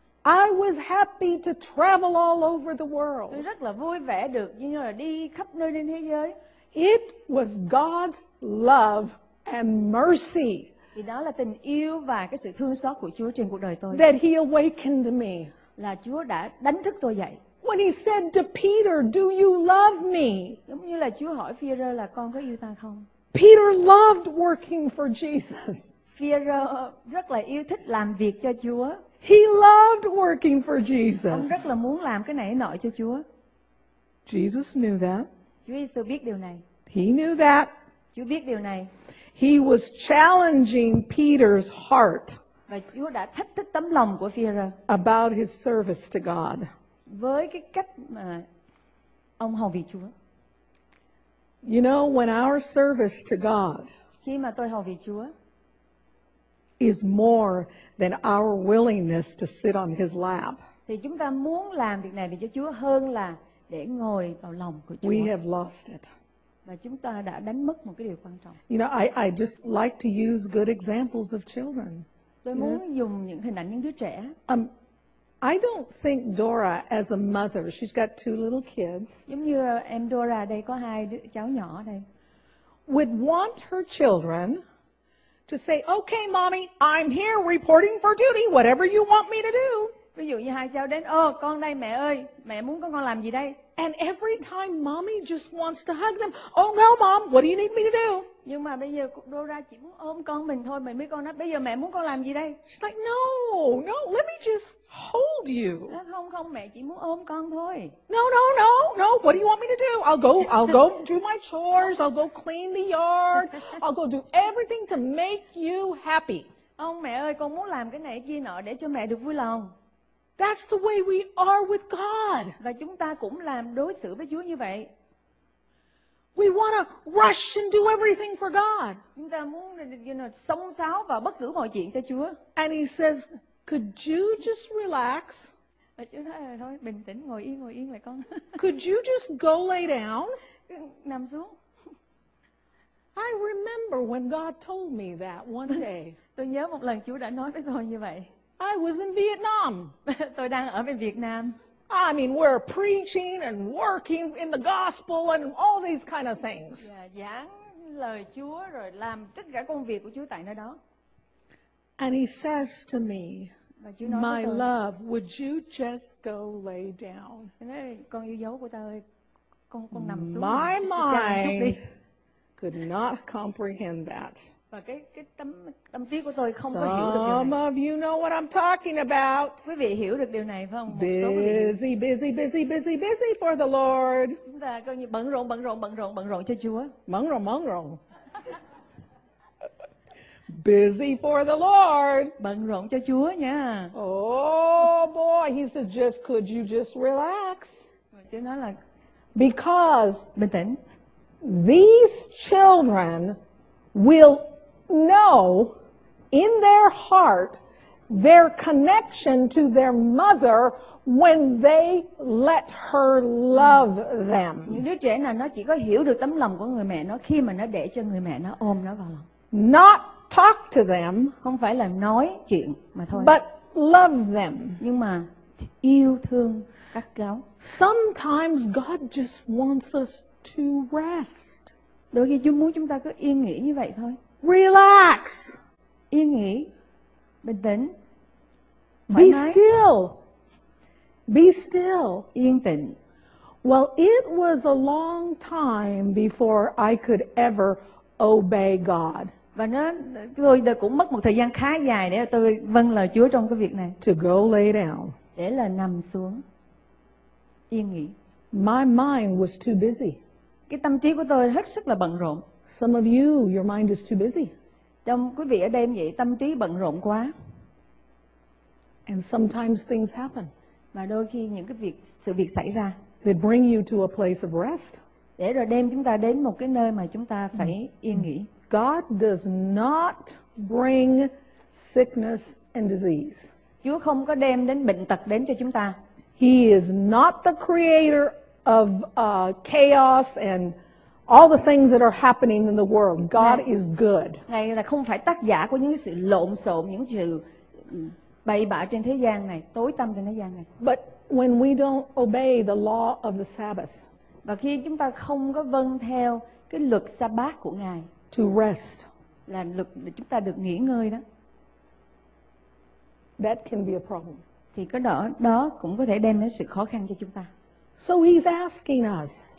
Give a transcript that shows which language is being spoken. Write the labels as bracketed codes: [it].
[en] I was happy to travel all over the world. [vi] Tôi rất là vui vẻ được như là đi khắp nơi trên thế giới. [en] It was God's love and mercy. [vi] Thì đó là tình yêu và cái sự thương xót của Chúa trên cuộc đời tôi. [en] That He awakened me. [vi] Là Chúa đã đánh thức tôi dậy. [en] When He said to Peter, "Do you love me?" [vi] Giống như là Chúa hỏi Phi-rơ là con có yêu ta không? [en] Peter loved working for Jesus. [vi] Phi-rơ rất là yêu thích làm việc cho Chúa. [en] He loved working for Jesus. [vi] Ông rất là muốn làm cái này nọ cho Chúa. [en] Jesus knew that. [vi] Chúa Giê-xu biết điều này. [en] He knew that. [vi] Chúa biết điều này. [en] He was challenging Peter's heart. [vi] Và Chúa đã thách thức tấm lòng của Phi-rơ. [en] About his service to God. [vi] Với cái cách mà ông hầu việc Chúa. [en] You know, when our service to God. [vi] Khi mà tôi hầu việc Chúa. [en] Is more than our willingness to sit on His lap. [vi] Thì chúng ta muốn làm việc này vì Chúa hơn là để ngồi vào lòng của Chúa. [en] We have lost it. [vi] Và chúng ta đã đánh mất một cái điều quan trọng. [en] You know, I just like to use good examples of children. [vi] Tôi muốn dùng những hình ảnh những đứa trẻ. [en] I don't think Dora, as a mother, she's got two little kids. [vi] Giống như em Dora đây có hai đứa, cháu nhỏ đây. [en] Would want her children. To say, okay, mommy, I'm here reporting for duty, whatever you want me to do. [vi] Ví dụ như hai cháu đến, ồ, con đây mẹ ơi, mẹ muốn con làm gì đây? [en] And every time mommy just wants to hug them, oh no, mom, what do you need me to do? [vi] Nhưng mà bây giờ Dora chỉ muốn ôm con mình thôi, mình mới con nói, bây giờ mẹ muốn con làm gì đây? [en] She's like, no, no, let me just hold you. [vi] Không, không, mẹ chỉ muốn ôm con thôi. [en] No, no, no, no, what do you want me to do? I'll go do my chores, I'll go clean the yard, I'll go do everything to make you happy. [vi] Ông mẹ ơi, con muốn làm cái này kia nọ để cho mẹ được vui lòng. [en] That's the way we are with God. [vi] Và chúng ta cũng làm đối xử với Chúa như vậy. [en] We want to rush and do everything for God. [vi] Chúng ta muốn, [en] you know, [vi] xông xáo vào bất cứ mọi chuyện cho Chúa. [en] And He says, "Could you just relax?" [vi] Và Chúa nói là thôi, bình tĩnh, ngồi yên lại con. [en] Could you just go lay down? [vi] Nằm xuống. [en] I remember when God told me that one day. [vi] Tôi nhớ một lần Chúa đã nói với tôi như vậy. [en] I was in Vietnam. [vi] Tôi đang ở bên Việt Nam. [en] I mean, we're preaching and working in the gospel and all these kind of things. [vi] Giảng lời Chúa rồi làm tất cả công việc của Chúa tại nơi đó. [en] And He says to me, "My [vi] tôi, [en] love, would you just go lay down?" [vi] Con yêu dấu của ta ơi, con nằm xuống. [en] My mind could not comprehend that. [vi] Và cái tâm trí của tôi không [en] Some [vi] có hiểu được điều này. [en] Of you know what I'm talking about. [vi] Quý vị hiểu được điều này phải không? [en] Busy, busy, busy, busy, busy for the Lord. [vi] Chúng ta coi như bận rộn, bận rộn, bận rộn, bận rộn cho Chúa. Bận rộn, bận rộn. [en] Busy for the Lord. [vi] Bận rộn cho Chúa nha. [en] Oh boy, He said, just could you just relax? [vi] Chúa nói là [en] because [vi] bình tĩnh. [en] These children will know in their heart their connection to their mother when they let her love them. [vi] Những đứa trẻ này nó chỉ có hiểu được tấm lòng của người mẹ nó khi mà nó để cho người mẹ nó ôm nó vào lòng. [en] Not talk to them, [vi] không phải là nói chuyện mà thôi. [en] But love them, [vi] nhưng mà yêu thương các cháu. [en] Sometimes God just wants us to rest. [vi] Đôi khi Chúa muốn chúng ta cứ yên nghỉ như vậy thôi. [en] Relax. [vi] Yên nghỉ. Bình tĩnh. [en] Be still. Be still. [vi] Yên tĩnh. [en] Well, it was a long time before I could ever obey God. [vi] Và tôi cũng mất một thời gian khá dài để tôi vâng lời Chúa trong cái việc này. [en] To go lay down. [vi] Để là nằm xuống. Yên nghỉ. [en] My mind was too busy. [vi] Cái tâm trí của tôi hết sức là bận rộn. [en] Some of you, your mind is too busy. [vi] Trong quý vị ở đây như vậy, tâm trí bận rộn quá. [en] And sometimes things happen. [vi] Và đôi khi những cái việc, sự việc xảy ra. [en] They bring you to a place of rest. [vi] Để rồi đem chúng ta đến một cái nơi mà chúng ta phải yên nghỉ. [en] God does not bring sickness and disease. [vi] Chúa không có đem đến bệnh tật đến cho chúng ta. [en] He is not the creator of chaos and all the things that are happening in the world. God is good. [vi] Ngài là không phải tác giả của những sự lộn xộn, những sự bậy bạ trên thế gian này, tối tăm trên thế gian này. [en] But when we don't obey the law of the Sabbath, [vi] và khi chúng ta không có vâng theo cái luật Sa-bát của Ngài, [en] to rest, [vi] là luật để chúng ta được nghỉ ngơi đó, [en] that can be a problem. [vi] Thì cái đó cũng có thể đem đến sự khó khăn cho chúng ta. [en] So he's asking us,